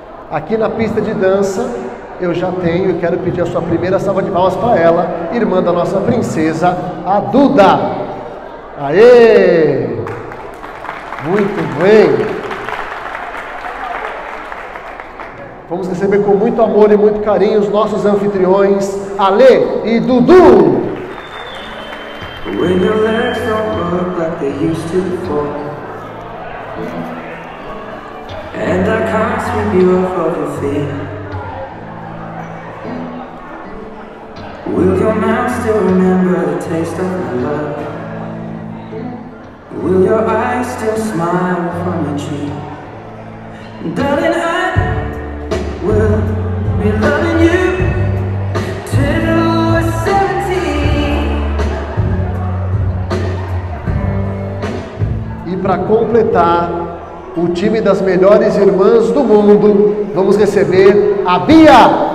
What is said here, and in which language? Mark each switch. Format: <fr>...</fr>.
<pt>Aqui na pista de dança, eu já tenho e quero pedir a sua primeira salva de palmas para ela, irmã da nossa princesa, a Duda. Aê! Muito bem! Vamos receber com muito amor e muito carinho os nossos anfitriões, Alê e Dudu!</pt> <en>When your legs don't work like they used to be, and I can't sweep you off of your feet, will your mouth still remember the taste of my love? Will your eyes still smile from your cheek? Darling, I will be loving you till you're 17.</en> <pt>E para completar o time das melhores irmãs do mundo, vamos receber a Bia!</pt>